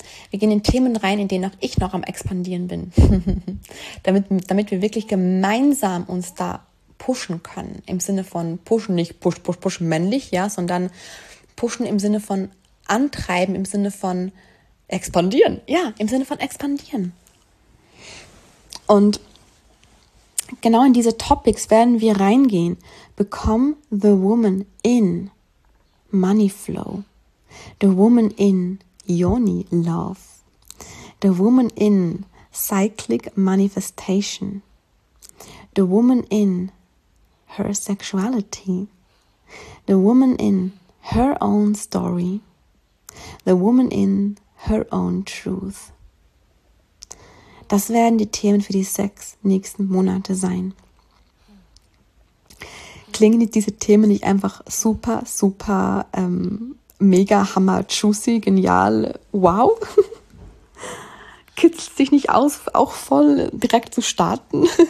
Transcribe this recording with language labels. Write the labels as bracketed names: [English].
[German] Wir gehen in Themen rein, in denen auch ich noch am Expandieren bin, damit wir wirklich gemeinsam uns da pushen können, im Sinne von pushen, nicht push, männlich, ja, sondern pushen im Sinne von antreiben, im Sinne von expandieren. Ja, im Sinne von expandieren. Und genau in diese Topics werden wir reingehen. [English] Become the woman in money flow. The woman in yoni love. The woman in cyclic manifestation. The woman in her sexuality. The woman in her own story. The woman in her own truth. [German] Das werden die Themen für die 6 nächsten Monate sein. Klingen diese Themen nicht einfach super, super, mega, hammer, juicy, genial, wow? Kitzelt sich nicht aus, auch voll direkt zu starten?